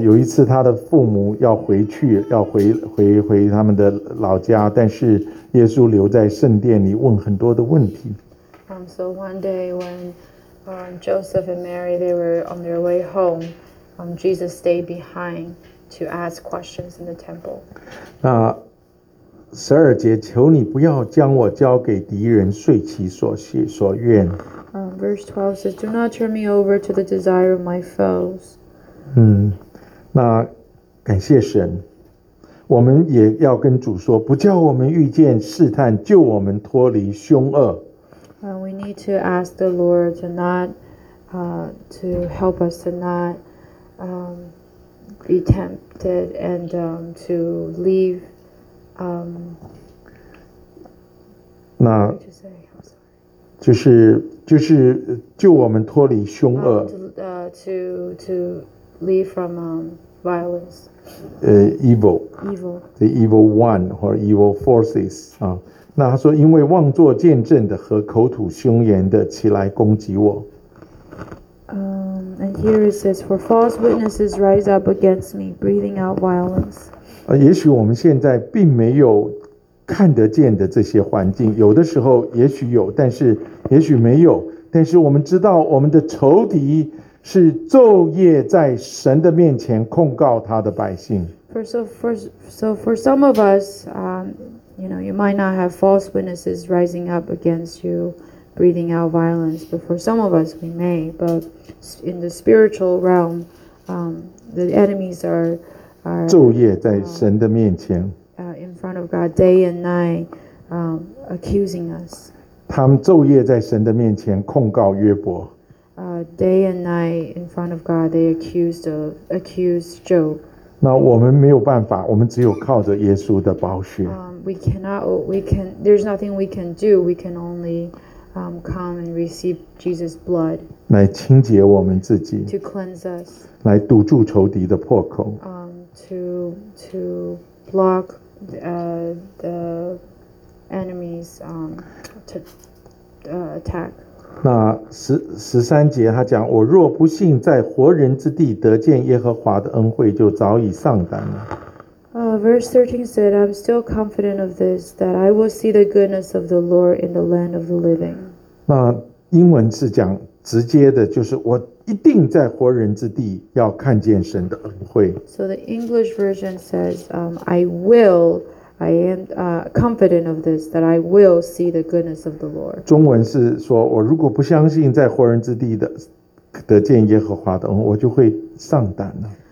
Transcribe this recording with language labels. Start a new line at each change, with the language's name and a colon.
Chinese: 有一次他的父母要回去，要回他们的老家，但是耶稣留在圣殿里问很多的问题。
English: So one day when Joseph and Mary they were on their way home, Jesus stayed behind to ask questions in the temple.
Chinese: 十二节，求你不要将我交给敌人遂其所愿。
English: Verse 12 says, "Do not turn me over to the desire of my foes."
Chinese: 那感谢神，我们也要跟主说，不叫我们遇见试探，救我们脱离凶恶。
English: We need to ask the Lord to not, to help us to not, be tempted and, to leave.
Chinese: 那就是救我们脱离凶恶。
English: To leave from violence. Evil. The evil one or evil forces.
Chinese: 那他说，因为妄作见证的和口吐凶言的起来攻击我。
English: And here it says, for false witnesses rise up against me, breathing out violence.
Chinese: 也许我们现在并没有看得见的这些环境，有的时候也许有，但是也许没有。但是我们知道，我们的仇敌是昼夜在神的面前控告他的百姓。
English: For some of us, you know, you might not have false witnesses rising up against you, breathing out violence. But for some of us, we may. But in the spiritual realm, the enemies are.
Chinese: 昼夜在神的面前
English: in front of God, day and night, accusing us.
Chinese: 他们昼夜在神的面前控告约伯
English: day and night in front of God, they accused Job.
Chinese: 那我们没有办法，我们只有靠着耶稣的宝血
English: There's nothing we can do. We can only, come and receive Jesus' blood.
Chinese: 来清洁我们自己
English: To cleanse us.
Chinese: 来堵住仇敌的破口
English: To block the enemy's attack.
Chinese: 那十三节他讲，我若不幸在活人之地得见耶和华的恩惠，就早已上当了。
English: Verse 13 said, I'm still confident of this, that I will see the goodness of the Lord in the land of the living.
Chinese: 那英文是讲直接的，就是我一定在活人之地要看见神的恩惠。
English: So the English version says, I am confident of this, that I will see the goodness of the Lord.
Chinese: 中文是说，我如果不相信在活人之地的得见耶和华的恩惠，我就会上当了。